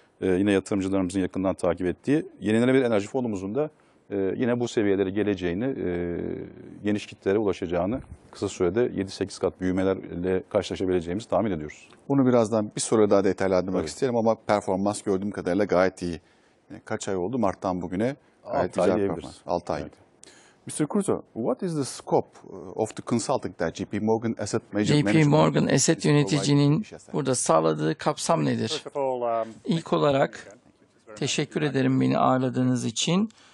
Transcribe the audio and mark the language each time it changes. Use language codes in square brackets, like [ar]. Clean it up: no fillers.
[tr] Yine yatırımcılarımızın yakından takip ettiği. Yenilenebilir enerji fonumuzun da yine bu seviyelere geleceğini, geniş kitlelere ulaşacağını, kısa sürede 7-8 kat büyümelerle karşılaşabileceğimizi tahmin ediyoruz. Bunu birazdan bir soru daha detaylandırmak isterim ama performans gördüğüm kadarıyla gayet iyi. Kaç ay oldu Mart'tan bugüne? 6 ay diyebiliriz. 6 ay. Evet. Mr. [en] Curzo, what is the scope of the consulting that JP Morgan Asset Management... [tr] JP Morgan Asset Yöneticinin burada sağladığı kapsam nedir? İlk olarak teşekkür ederim beni ağırladığınız için.